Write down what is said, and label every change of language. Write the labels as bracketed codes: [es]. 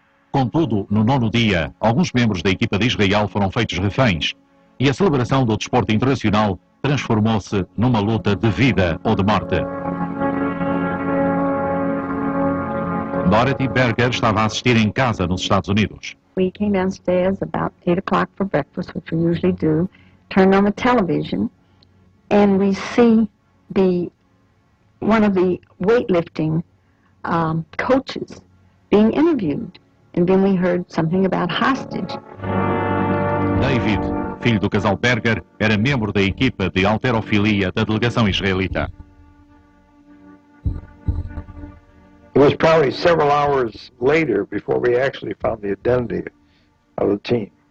[pt] Contudo, no nono dia, alguns membros da equipa de Israel foram feitos reféns e a celebração do desporto internacional transformou-se numa luta de vida ou de morte. Dorothy Berger estava a assistir em casa nos Estados Unidos. [en] We came downstairs about 8 o'clock for breakfast, which we usually do. Turned on the television, and we see one of the weightlifting coaches being interviewed, and then we heard something about hostage. [pt] David, filho do casal Berger, era membro da equipa de halterofilia da delegação israelita. [en] It was probably several hours later before we actually found the identity of the team.